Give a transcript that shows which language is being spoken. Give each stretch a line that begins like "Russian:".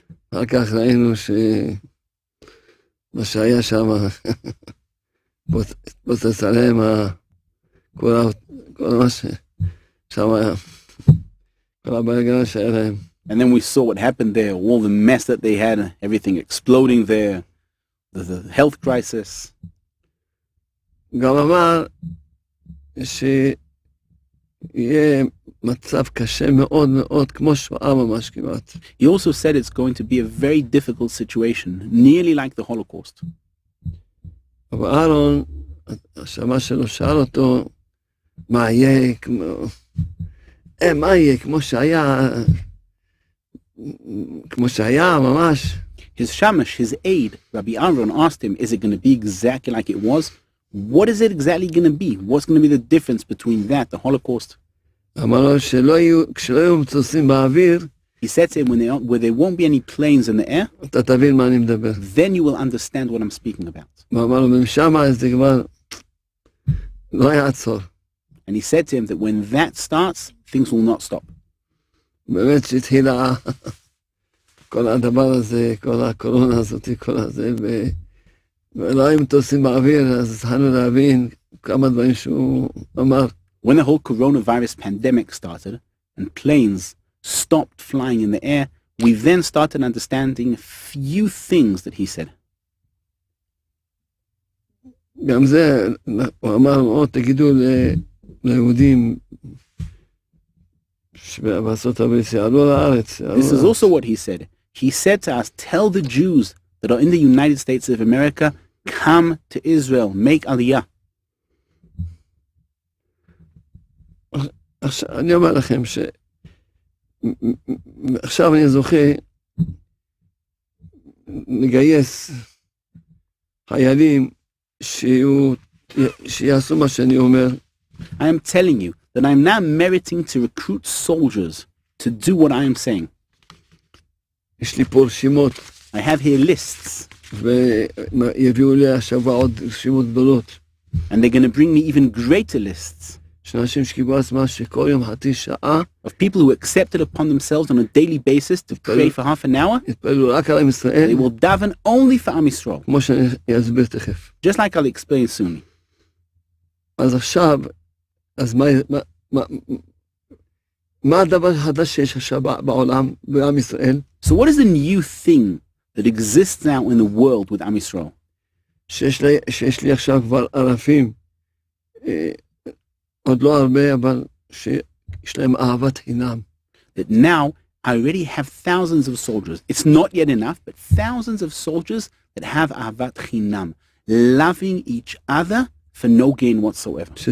Hebrew: אחר כך ראינו שמה שהיה שם, פוצץ עליהם כל מה ששם היה.
English: And then we saw what happened there, all the mess that they had, everything exploding there, the health crisis.
Hebrew: גם אמר שיהיה מצב קשה מאוד מאוד, כמו שואה ממש כמעט.
English: He also said it's going to be a very difficult situation, nearly like the Holocaust.
Hebrew: אבל אהרון, השמה שלו שאל אותו, מה יהיה כמו...
English: His shamash, his aide, Rabbi Aaron, asked him, is it going to be exactly like it was? What is it exactly going to be? What's going to be the difference between that, the Holocaust? He said to him, when there won't be any planes in the air, then you will understand what I'm speaking about. And he said to him that when that starts, things will not stop.
Hebrew: באמת שהתחילה כל הדבר הזה, כל הקורונה הזאת, כל הזה, ולא היו מטוסים באוויר, אז התחלנו להבין כמה דברים שהוא אמר.
English: When the whole coronavirus pandemic started, and planes stopped flying in the air, we then started understanding a few things that he said.
Hebrew: גם זה, הוא אמר, או תגידו ליהודים שבעשות הרבה שיעלו לארץ.
English: This is also what he said. He said to us, tell the Jews that are in the United States of America, come to Israel, make Aliyah.
Hebrew: עכשיו, אני אומר לכם ש... עכשיו אני זוכה לגייס חיילים שיהיו, שיעשו מה שאני אומר.
English: I am telling you that I am now meriting to recruit soldiers to do what I am saying.
Hebrew: יש לי פה רשימות.
English: I have here lists.
Hebrew: ויביאו לי השבוע עוד רשימות גדולות.
English: And they're going to bring me even greater lists. Of people who accepted upon themselves on a daily basis to pray for half an hour, they will daven only for Am Yisrael. Just like I'll explain soon. So what is the new thing that exists now in the world with Am Yisrael?
Hebrew: שיש לי עכשיו כבר אלפים, עוד לא הרבה, אבל שיש להם אהבת חינם.
English: That now I already have thousands of soldiers. It's not yet enough, but thousands of soldiers that have אהבת חינם, loving each other for no gain whatsoever.